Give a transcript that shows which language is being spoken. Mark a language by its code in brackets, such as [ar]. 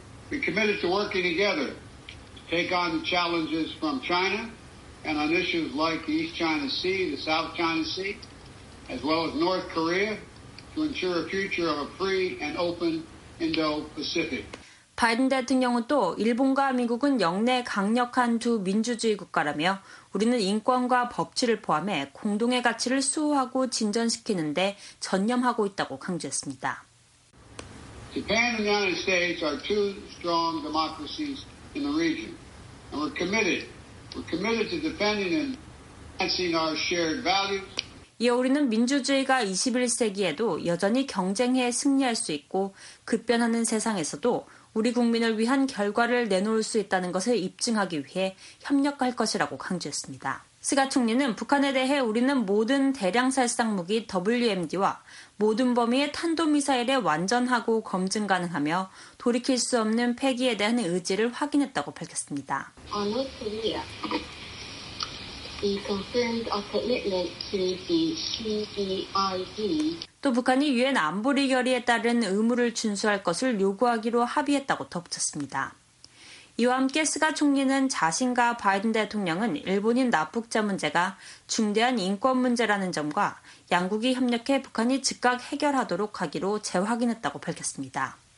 [en] We committed to working together to take on challenges from China and on issues like the East China Sea, the South China Sea, as well as North Korea to ensure a future of a free and open Indo-Pacific. [ko] 바이든 대통령은 또 일본과 미국은 영내 강력한 두 민주주의 국가라며 우리는 인권과 법치를 포함해 공동의 가치를 수호하고 진전시키는 데 전념하고 있다고 강조했습니다. [en] Japan and the United States are two strong democracies in the region. And we're committed to defending and advancing our shared values. [ko] 이어 우리는 민주주의가 21세기에도 여전히 경쟁해 승리할 수 있고 급변하는 세상에서도 우리 국민을 위한 결과를 내놓을 수 있다는 것을 입증하기 위해 협력할 것이라고 강조했습니다. 스가 총리는 북한에 대해 우리는 모든 대량살상 무기 WMD와 모든 범위의 탄도미사일에 완전하고 검증 가능하며 돌이킬 수 없는 폐기에 대한 의지를 확인했다고 밝혔습니다. [en] On North Korea, he confirmed a commitment to the CBRD. [ko] 또 북한이 유엔 안보리 결의에 따른 의무를 준수할 것을 요구하기로 합의했다고 덧붙였습니다. 이와 함께 스가 총리는 자신과 바이든 대통령은 일본인 납북자 문제가 중대한 인권 문제라는 점과 양국이 협력해 북한이 즉각 해결하도록 하기로 재확인했다고 밝혔습니다.